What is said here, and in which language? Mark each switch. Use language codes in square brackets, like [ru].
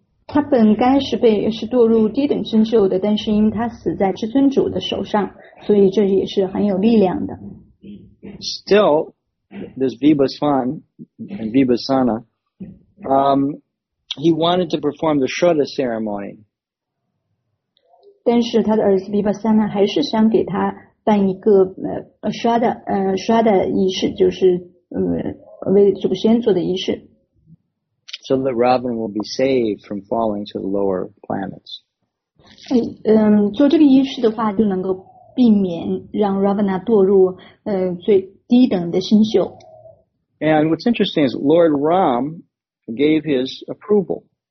[zh] 他本该是被是堕入低等生锈的，但是因他死在至尊主的手上，所以这也是很有力量的。 [en] Still, this Vibhasan and Vibhasana, he wanted to perform the Shuddha ceremony. [zh] 但是他的儿子 Vibhasana 还是想给他办一个Shuddha 仪式，就是为祖先做的仪式。 [en] So that Ravana will be saved from falling to the lower planets. [zh] 做这个仪式的话，就能够避免让 Ravana 堕入最低等的星宿。 [en] And what's interesting is Lord Ram gave his approval.